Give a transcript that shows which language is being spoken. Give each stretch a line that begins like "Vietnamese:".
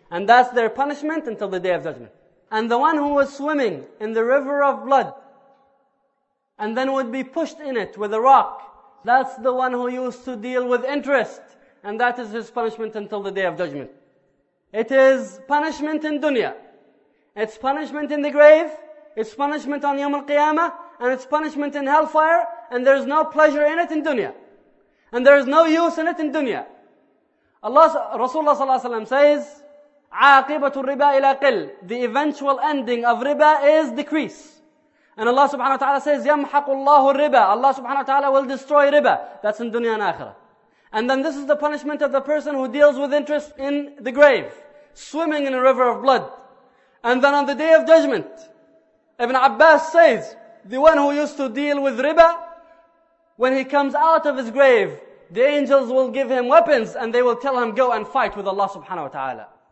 English: And that's their punishment until the day of judgment. And the one who was swimming in the river of blood and then would be pushed in it with a rock, that's the one who used to deal with interest. And that is his punishment until the day of judgment. It is punishment in dunya. It's punishment in the grave. It's punishment on Yawm al-Qiyamah. And it's punishment in hellfire. And there is no pleasure in it in dunya. And there is no use in it in dunya.
Arabic: Rasulullah ﷺ says, عَاقِبَةُ الرِّبَا إِلَىٰ قِلْ.
English: The eventual ending of riba is decrease. And Allah subhanahu wa ta'ala says,
Arabic: يَمْحَقُ اللَّهُ الرِّبَا.
English: Allah subhanahu wa ta'ala will destroy riba. That's in dunya and akhirah. And then this is the punishment of the person who deals with interest in the grave, swimming in a river of blood. And then on the day of judgment, Ibn Abbas says, the one who used to deal with riba, when he comes out of his grave, the angels will give him weapons and they will tell him, go and fight with Allah subhanahu wa ta'ala.